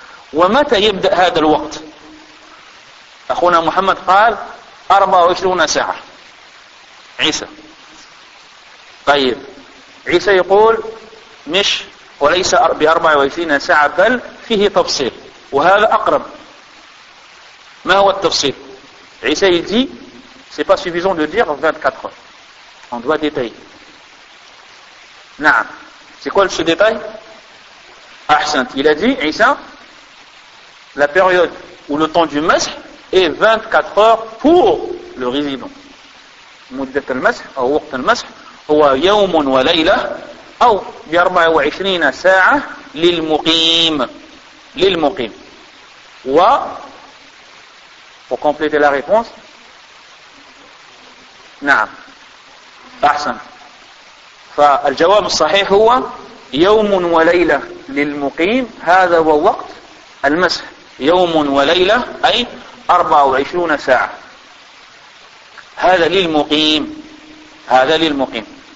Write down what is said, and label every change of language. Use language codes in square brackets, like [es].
[ar] ومتى يبدأ هذا الوقت؟ أخونا محمد قال 24 ساعة. عيسى، طيب عيسى يقول مش وليس ب 24 ساعة، بل فيه تفصيل وهذا أقرب. ما هو التفصيل؟ [fr] عيسى يجي c'est pas suffisant de dire 24 heures. On doit détailler. نعم. C'est quoi ce détail? أحسنت. Il a dit عيسى la période ou le temps du masḥ est 24 heures pour le résident. [ar] مدة المسح أو وقت المسح هو يوم وليلة أو 24 ساعة للمقيم. للمقيم. [fr] Ou à, pour compléter la réponse, [ar] أحسن. فالجواب الصحيح هو يوم وليلة للمقيم، هذا هو وقت المسح، يوم وليلة أي 24 ساعة، هذا للمقيم، هذا للمقيم.